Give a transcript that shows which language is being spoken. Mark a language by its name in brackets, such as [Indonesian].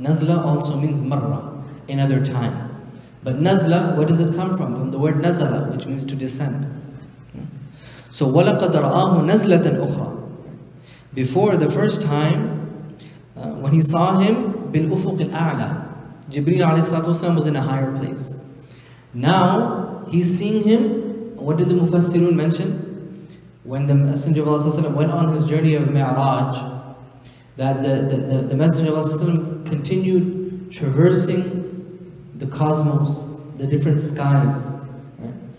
[English] Nazla also means marra, another time. But nazla, where does it come from? From the word nazala, which means to descend. [Arabic] So, وَلَقَدْ رَآهُ نَزْلَةً أُخْرَى. [English] Before the first time, when he saw him, [Arabic] بِالْأُفُقِ الْأَعْلَى. [English] Jibreel alayhi salatu wasalam was in a higher place. Now, he's seeing him. What did the Mufassirun mention? When the Messenger of Allah went on his journey of Mi'raj, that the Messenger of Allah continued traversing the cosmos, the different skies, right?